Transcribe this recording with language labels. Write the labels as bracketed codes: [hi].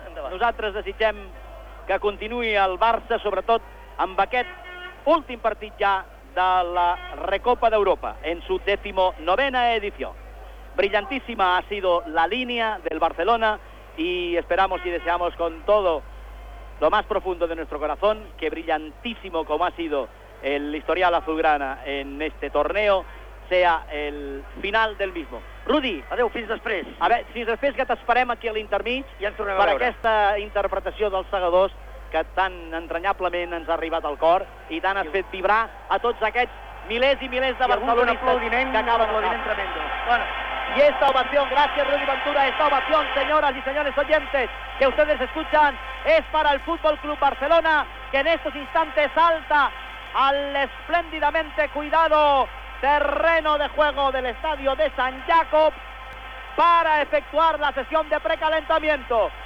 [ca] Nosaltres desitgem que continuï el Barça, sobretot amb aquest últim partit ja de la Recopa d'Europa, [es] en su 19a edició. Brillantíssima ha sido la línia del Barcelona i esperamos y deseamos con todo lo más profundo de nuestro corazón que brillantísimo como ha sido el historial azulgrana en este torneo sea el final del mismo. [ca] Rudy, adeu, fins després. A veure, fins després, que t'esperem aquí a l'intermig i ens tornem a veure. Per aquesta interpretació dels segadors que tan entranyablement ens ha arribat al cor i tant has fet vibrar a tots aquests milers i milers de barcelonistes que acaben aplaudint tremendo. [es] Y esta ovación, gracias Rudy Ventura, esta ovación, señoras y señores oyentes, que ustedes escuchan, es para el Fútbol Club Barcelona, que en estos instantes salta al espléndidamente cuidado terreno de juego del estadio de San Jacob para efectuar la sesión de precalentamiento.